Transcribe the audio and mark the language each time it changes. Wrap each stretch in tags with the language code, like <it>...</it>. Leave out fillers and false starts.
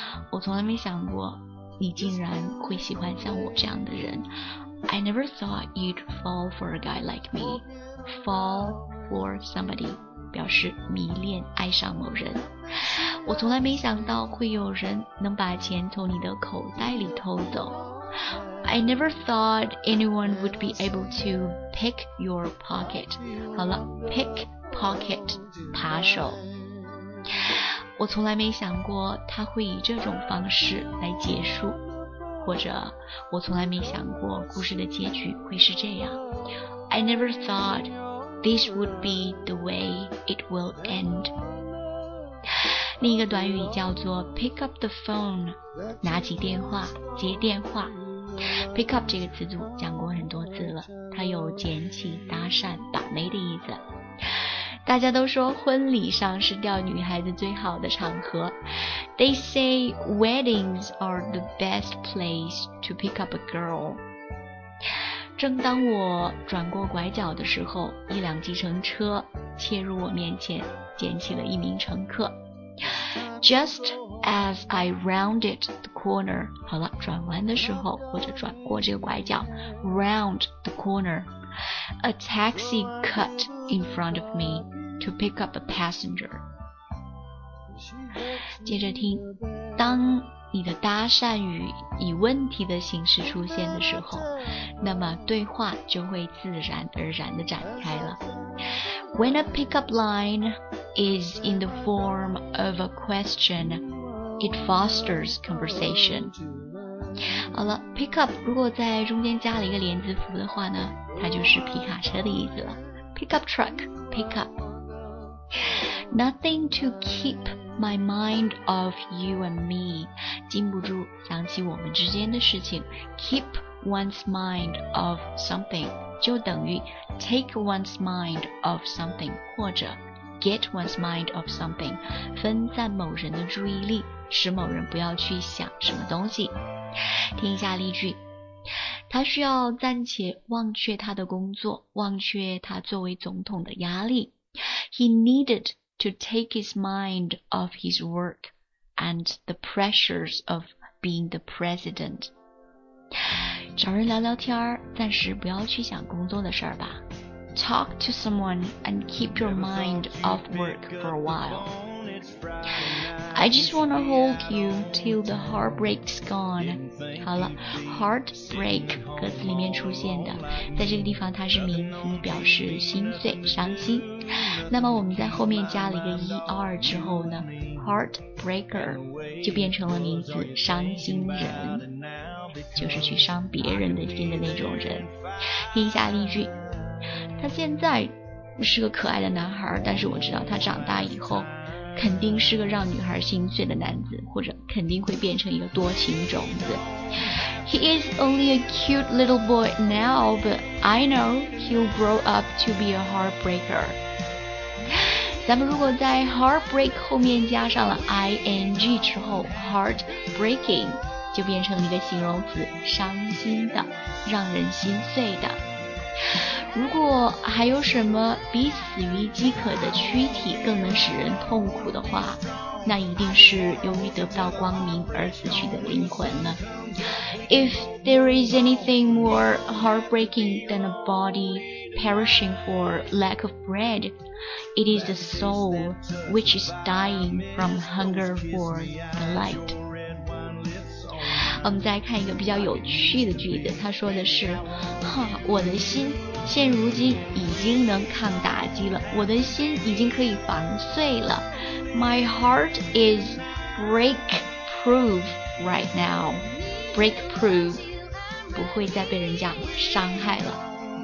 <zh>我从来没想过你竟然会喜欢像我这样的人。</zh> <en>I never thought you'd fall for a guy like me. Fall for somebody</en> <zh>表示迷恋爱上某人。我从来没想到会有人能把钱从你的口袋里偷走。</zh> <en>I never thought anyone would be able to pick your pocket.</en> <zh>好了， pick pocket 扒手。我从来没想过他会以这种方式来结束，或者我从来没想过故事的结局会是这样。</zh> <en>I never thought this would be the way it will end。</en> <zh>另一个短语叫做 pick up the phone， 拿起电话，接电话。 pick up 这个词组讲过很多次了，它有捡起、搭讪、把妹的意思。大家都说婚礼上是钓女孩子最好的场合。</zh> <en>They say weddings are the best place to pick up a girl。</en> <zh>正当我转过拐角的时候，一辆计程车切入我面前，捡起了一名乘客。</zh> <en>Just as I rounded the corner，</en> <zh>好了，转弯的时候或者转过这个拐角，</zh> <en>round the corner， a taxi cut in front of meTo pick up a passenger。</en> <zh>接着听，当你的搭讪语以问题的形式出现的时候，那么对话就会自然而然地展开了。</zh> <en>When a pickup line is in the form of a question, it fosters conversation。</en> <zh>好了， pickup 如果在中间加了一个连字符的话呢，它就是皮卡车的意思了。</zh> <en>Pickup truck, pickupNothing to keep my mind off you and me，</en> <zh>禁不住想起我们之间的事情。</zh> <en>Keep one's mind off something</en> <zh>就等于</zh> <en>take one's mind off something， 或者 get one's mind off something，</en> <zh>分散某人的注意力，使某人不要去想什么东西。听一下例句，他需要暂且忘却他的工作，忘却他作为总统的压力。</zh> <en>He needed to take his mind off his work and the pressures of being the president.</en> <zh>找人聊聊天，暂时不要去想工作的事儿吧。</zh> <en>Talk to someone and keep your mind off work for a while. I just want to hold you till the heartbreak's gone.</en> <zh>好了， heartbreak 歌词里面出现的，在这个地方它是名词，表示心碎、伤心。那么我们在后面加了一个 er 之后呢， heartbreaker 就变成了名词，伤心人，就是去伤别人的心的那种人。听一下例句，他现在是个可爱的男孩，但是我知道他长大以后肯定是个让女孩心碎的男子，或者肯定会变成一个多情种子。</zh> <en>He is only a cute little boy now, but I know he'll grow up to be a heartbreaker。</en> <zh>咱们如果在 heartbreak 后面加上了 ing 之后， heartbreaking 就变成一个形容词，伤心的，让人心碎的。如果还有什么比死于饥渴的躯体更能使人痛苦的话，那一定是由于得不到光明而死去的灵魂了。</zh> <en>If there is anything more heartbreaking than a bodyperishing for lack of bread, it is the soul which is dying from hunger for the light。</en> <zh>我们再看一个比较有趣的句子，他说的是，哈，我的心现如今已经能抗打击了，我的心已经可以防碎了。</zh> <en>My heart is break proof right now.</en> <zh>Break proof， 不会再被人家伤害了。</zh>